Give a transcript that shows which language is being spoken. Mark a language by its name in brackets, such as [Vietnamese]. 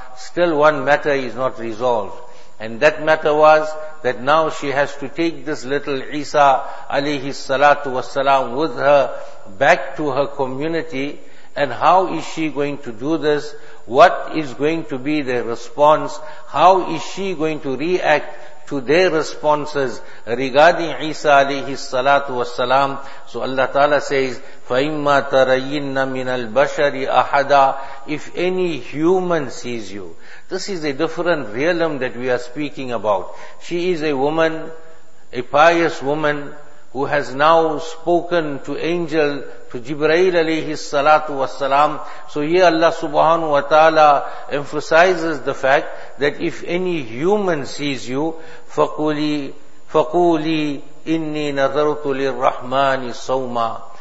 [English] Still one matter is not resolved. And that matter was that now she has to take this little Isa alayhi salatu wasalam with her back to her community. And how is she going to do this? What is going to be the response? How is she going to react to their responses regarding Isa alayhi salatu wasalam? So Allah Ta'ala says, [Arabic] فَإِمَّا تَرَيِّنَّ مِنَ الْبَشَرِ أَحَدًا. [English] If any human sees you, this is a different realm that we are speaking about. She is a woman, a pious woman, who has now spoken to angel, to Jibreel alayhi salatu wasalam. So here Allah subhanahu wa ta'ala emphasizes the fact that if any human sees you, [Arabic] فَقُولِي إِنِّي نَذَرْتُ لِلرَّحْمَانِ صَوْمًا.